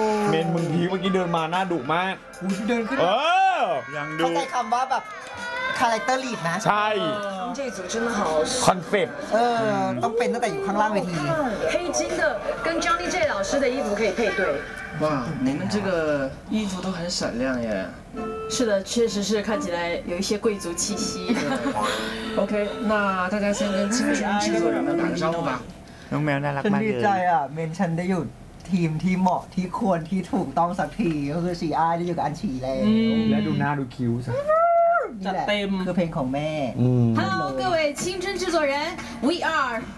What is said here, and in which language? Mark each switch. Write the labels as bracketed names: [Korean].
[Thai] เมนมึงพีเมื่อกี้เดินมาหน้าดุมาก กูเดินขึ้น เออ ยังดุ เข้าใจคำว่าแบบคาแรคเตอร์ลีดนะ ใช่ ใช่ถูกต้อง คอนเซ็ปต์เออต้องเป็นตั้งแต่อยู่ข้างล่างเวที [Chinese] 黑金的跟张丽 J 老师的衣服可以配对哇你们这个衣服都很闪亮耶是的确实是看起来有一些贵族气息 OK 那大家先跟青春制作人们打个招呼吧 [Thai] น้องแมวน่ารักมากเลย ฉันดีใจอ่ะเมนฉันได้อยู่ทีมที่เหมาะที่ควรที่ถูกต้องสักทีก็คือสีอ้ายได้อยู่กับอันฉี่แล้ว และดูหน้าดูคิ้วซะ จัดเต็ม คือเพลงของแม่ [Chinese] Hello 各位青春制作人 [English] We are